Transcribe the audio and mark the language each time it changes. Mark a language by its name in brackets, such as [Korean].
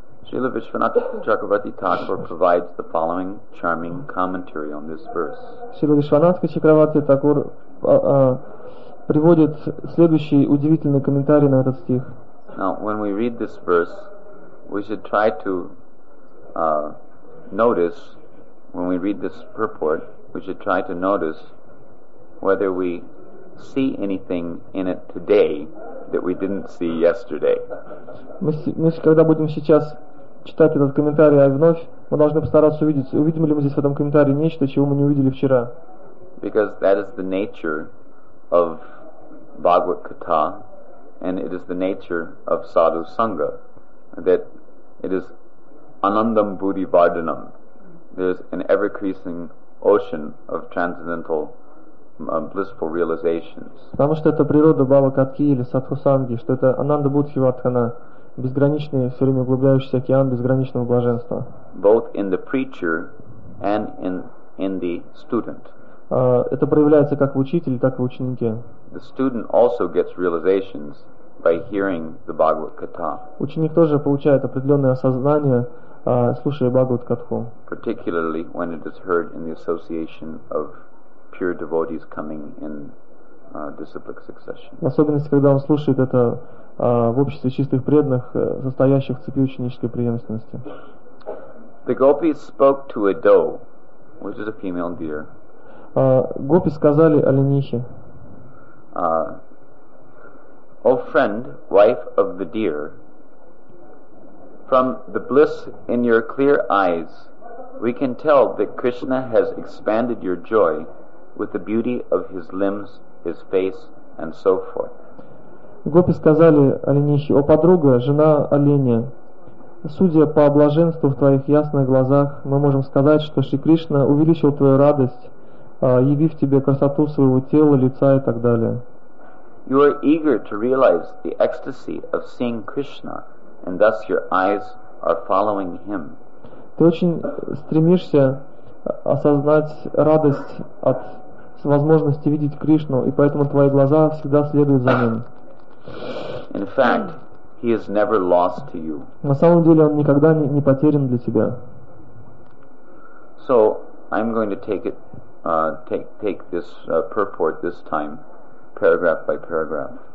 [English] Srila Vishwanath Chakravarti Thakur provides the following charming commentary on this verse. [Russian] Srila Vishwanath Chakravarti Thakur приводит следующий удивительный комментарий на этот стих. [English] Now, when we read this verse, we should try to notice, when we read this purport, we should try to notice whether we see anything in it today that we didn't see yesterday. [Russian] Мы когда будем сейчас читать этот комментарий, а вновь мы должны постараться увидеть, увидим ли мы здесь в этом комментарии нечто, чего мы не увидели вчера. [English] Because that is the nature of Bhagavad Katha, and it is the nature of Sadhu Sangha, that it is Anandam Buddhi Vardhanam. There is an ever-increasing ocean of transcendental blissful realizations. [Russian] Потому что это природа Бхава Катхи или Садху Санги, что это Ананда Будхи Вардхана, безграничный, все время углубляющийся океан безграничного блаженства. [English] Both in the preacher and in the student. [Russian] Это проявляется как в учителе, так и в ученике. [English] The student also gets realizations by hearing the Bhagavad Katha. [Russian] Ученик тоже получает определенное осознание, слушая Бхагавад Катху. [English] Particularly when it is heard in the association of pure devotees coming in disciplic succession. [Russian] В особенности, когда он слушает это в обществе чистых преданных, состоящих в цепи ученической преемственности. [English] The gopis spoke to a doe, which is a female deer. [Russian] Гопи сказали оленихе. [English] O friend, wife of the deer, from the bliss in your clear eyes, we can tell that Krishna has expanded your joy with the beauty of his limbs, his face, and so forth. [Russian] Гопи сказали оленихе: О, подруга, жена оленя, Судя по блаженству в твоих ясных глазах, мы можем сказать, что Шри Кришна увеличил твою радость, явив тебе красоту своего тела, лица и так далее. [English] You are eager to realize the ecstasy of seeing Krishna, and thus your eyes are following him. [Russian] Ты очень стремишься осознать радость от возможности видеть Кришну, и поэтому твои глаза всегда следуют за ним. [English] In fact, he is never lost to you. [Russian] На самом деле он никогда не потерян для тебя. [English] So I'm going to take it, take this purport this time, paragraph by paragraph.